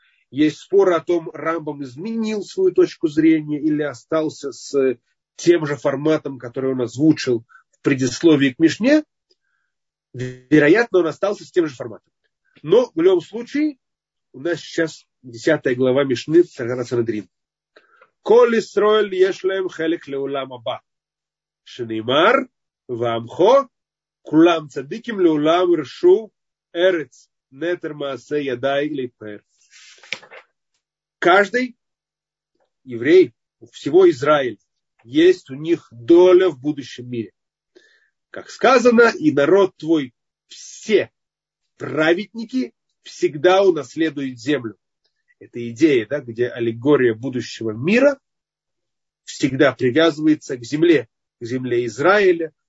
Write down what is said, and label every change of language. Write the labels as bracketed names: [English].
[Russian] Есть споры о том, Рамбам изменил свою точку зрения или остался с тем же форматом, который он озвучил в предисловии к Мишне. Вероятно, он остался с тем же форматом. Но в любом случае, у нас сейчас 10-я глава Мишны Трактата Санедрин. [Hebrew] כל ישראל יש להם חלק לעולם הבא, שנאמר, ועמכו, כולם צדיקים לעולם רשו ארץ, נטר מעשה ידי להתפאר. [Russian] Каждый еврей, всего Израиль, есть у них доля в будущем мире. Как сказано, и народ твой, все праведники, всегда унаследуют землю. Это идея, да, где аллегория будущего мира всегда привязывается к земле Израиля.